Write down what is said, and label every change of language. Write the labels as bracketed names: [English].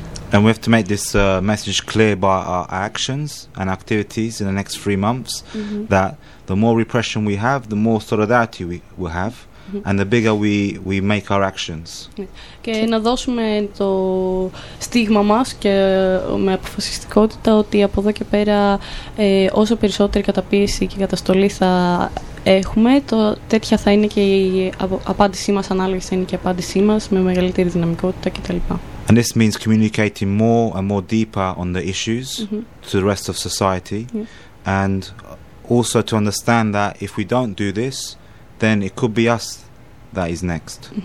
[English] And we have to make this message clear by our actions and activities in the next three months, mm-hmm. that the more repression we have, the more solidarity we will have. And the bigger we make our actions. [Greek] Και να δώσουμε το στίγμα μας και με αποφασιστικότητα ότι από εδώ και πέρα όσο περισσότερη καταπίεση και καταστολή θα έχουμε, τέτοια θα είναι και η απάντησή μας, ανάλογη θα είναι και η απάντησή μας με μεγαλύτερη δυναμικότητα κτλ. [English] And this means communicating more and more deeper on the issues mm-hmm. to the rest of society, yeah. and also to understand that if we don't do this, then it could be us that is next.